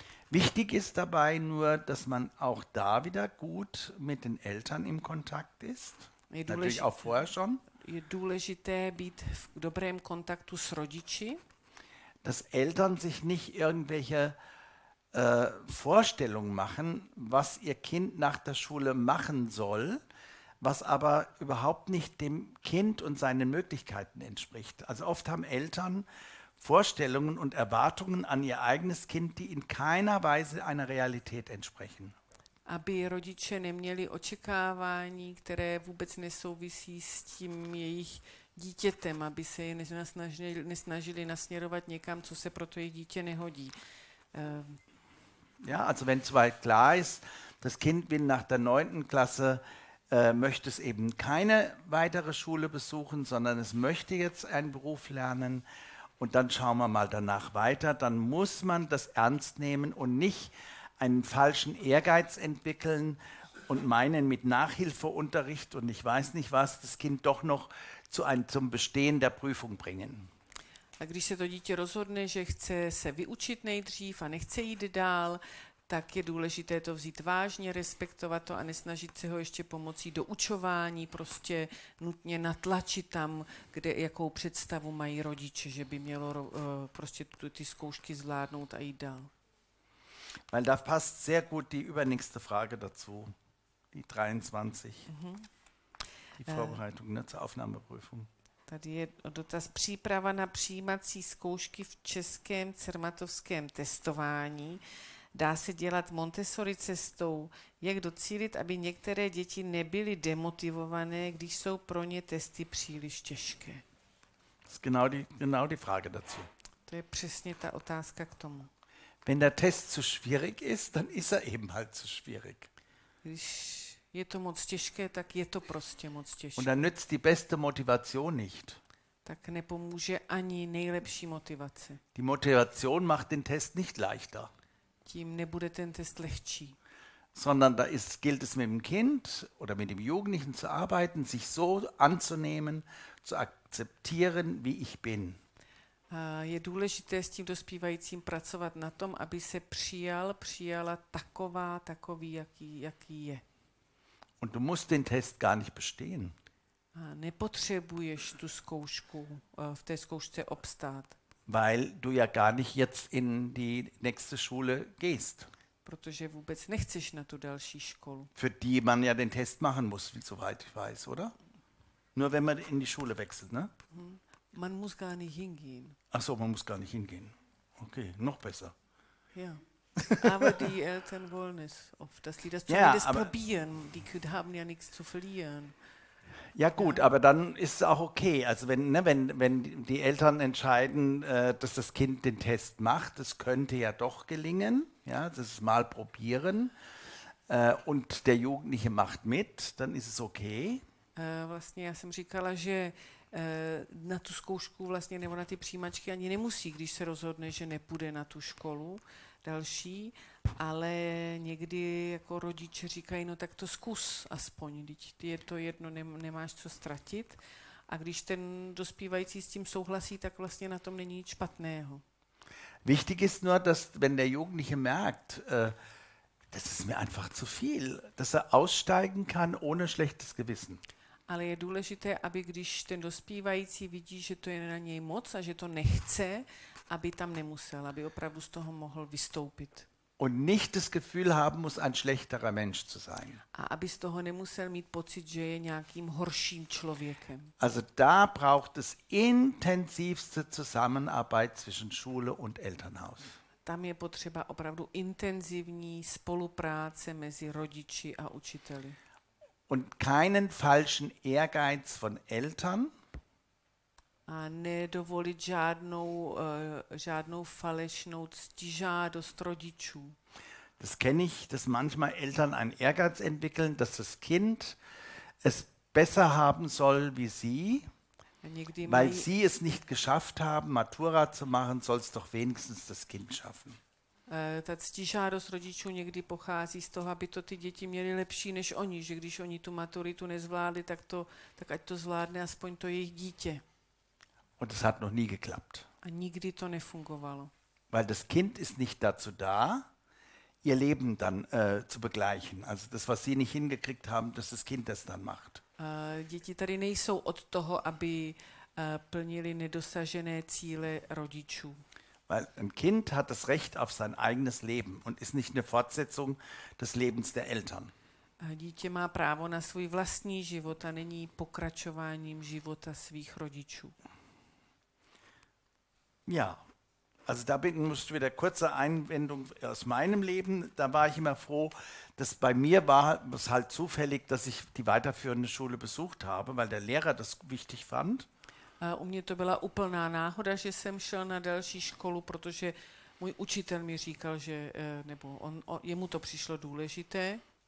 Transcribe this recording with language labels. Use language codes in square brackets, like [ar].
[de] Wichtig ist dabei nur, dass man auch da wieder gut mit den Eltern im Kontakt ist. Natürlich auch vorher schon. [cs] Je důležité být v dobrém kontaktu s rodiči. [de] Dass Eltern sich nicht irgendwelche Vorstellungen machen, was ihr Kind nach der Schule machen soll, was aber überhaupt nicht dem Kind und seinen Möglichkeiten entspricht. Also oft haben Eltern Vorstellungen und Erwartungen an ihr eigenes Kind, die in keiner Weise einer Realität entsprechen. [cs] Aby rodiče neměli očekávání, které vůbec nesouvisí s tím jejich dítětem, aby se je nesnažili nasměrovat někam, co se pro to jejich dítě nehodí. [de] Ja, also wenn zwar klar ist, das Kind will nach der 9. Klasse möchte es eben keine weitere Schule besuchen, sondern es möchte jetzt einen Beruf lernen. und dann schauen wir mal danach weiter, dann muss man das ernst nehmen und nicht einen falschen Ehrgeiz entwickeln und meinen, mit Nachhilfeunterricht und ich weiß nicht was, das Kind doch noch zum Bestehen der Prüfung bringen. [cs] A když se to dítě rozhodne, že chce se vyučit nejdřív a nechce jít dál, tak je důležité to vzít vážně, respektovat to a nesnažit se ho ještě pomocí doučování prostě nutně natlačit tam, kde jakou představu mají rodiče, že by mělo prostě ty zkoušky zvládnout a jít dál. [de] Weil da passt sehr gut die übernächste Frage dazu, die 23. Die Vorbereitung zur Aufnahmeprüfung. [cs] Tady je dotaz příprava na přijímací zkoušky v českém cermatovském testování. Dá se dělat Montessori cestou? Jak docílit, aby některé děti nebyly demotivované, když jsou pro ně testy příliš těžké? [de] Genau die Frage dazu. [cs] To je přesně ta otázka k tomu. [de] Wenn der Test zu schwierig ist, dann ist eben halt zu schwierig. [cs] Když je to moc těžké, tak je to prostě moc těžké. [de] Und dann nützt die beste Motivation nicht. [cs] Tak nepomůže ani nejlepší motivace. [de] Die Motivation macht den Test nicht leichter. [cs] Tím nebude ten Test lehčí. [de] Sondern da ist, gilt es mit dem Kind oder mit dem Jugendlichen zu arbeiten, sich so anzunehmen, zu akzeptieren, wie ich bin. [cs] Je důležité s tím dospívajícím pracovat na tom, aby se přijala takový, jaký je. [de] Und du musst den Test gar nicht bestehen. [cs] Nepotřebuješ tu zkoušku, v té zkoušce obstát. [de] Weil du ja gar nicht jetzt in die nächste Schule gehst. [cs] Protože vůbec nechceš na tu další školu. [de] Für die man ja den Test machen muss, soweit ich weiß, oder? Nur wenn man in die Schule wechselt, ne? Man muss gar nicht hingehen. Ach so, man muss gar nicht hingehen. Okay, noch besser. Ja. Aber die Eltern wollen es oft, dass die das zumindest probieren. Die Kinder haben ja nichts zu verlieren. Ja gut, aber dann ist es auch okay. Also wenn, ne, wenn die Eltern entscheiden, dass das Kind den Test macht, es könnte ja doch gelingen, ja, das ist mal probieren, und der Jugendliche macht mit, dann ist es okay. [cs] Vlastně já jsem říkala, že na tu zkoušku vlastně nebo na ty přijímačky ani nemusí, když se rozhodne, že nepůjde na tu školu další, ale někdy jako rodiče říkají, no tak to zkus aspoň, teď je to jedno, nemáš co ztratit. A když ten dospívající s tím souhlasí, tak vlastně na tom není nic špatného. [de] Wichtig ist nur, dass wenn der Jugendliche merkt, das ist mir einfach zu viel, dass aussteigen kann ohne schlechtes Gewissen. [cs] Ale je důležité, aby když ten dospívající vidí, že to je na něj moc a že to nechce, aby tam nemusel, aby opravdu z toho mohl vystoupit. [de] Und nicht das Gefühl haben muss, ein schlechterer Mensch zu sein. [cs] A aby z toho nemusel mít pocit, že je nějakým horším člověkem. [de] Also da braucht es intensivste Zusammenarbeit zwischen Schule und Elternhaus. [cs] Tam je potřeba opravdu intenzivní spolupráce mezi rodiči a učiteli. [de] Und keinen falschen Ehrgeiz von Eltern. [cs] A nedovolit žádnou falešnou ctižádost rodičů. [de] Das kenne ich, dass manchmal Eltern einen Ehrgeiz entwickeln, dass das Kind es besser haben soll wie sie, weil sie es nicht geschafft haben, Matura zu machen, soll es doch wenigstens das Kind schaffen. [cs] Ta ctižádost rodičů někdy pochází z toho, aby to ty děti měly lepší než oni, že když oni tu maturitu nezvládli, tak ať to zvládne aspoň to jejich dítě. [de] Und es hat noch nie geklappt. [cs] A nikdy to nefungovalo. [de] Weil das Kind ist nicht dazu da, ihr Leben dann zu begleichen. Also das, was sie nicht hingekriegt haben, dass das Kind das dann macht. [cs] Děti tady nejsou od toho, aby plnili nedosažené cíle rodičů. [de] Weil ein Kind hat das Recht auf sein eigenes Leben und ist nicht eine Fortsetzung des Lebens der Eltern. [cs] Dítě má právo na svůj vlastní život a není pokračováním života svých rodičů. [de] Ja, also da bin ich wieder kurze Einwendung aus meinem Leben. Da war ich immer froh, dass bei mir war es halt zufällig, dass ich die weiterführende Schule besucht habe, weil der Lehrer das wichtig fand. [cs] U mě to byla úplná náhoda, že jsem šel na další školu, protože můj učitel mi říkal, že nebo on, o, jemu to přišlo důležité.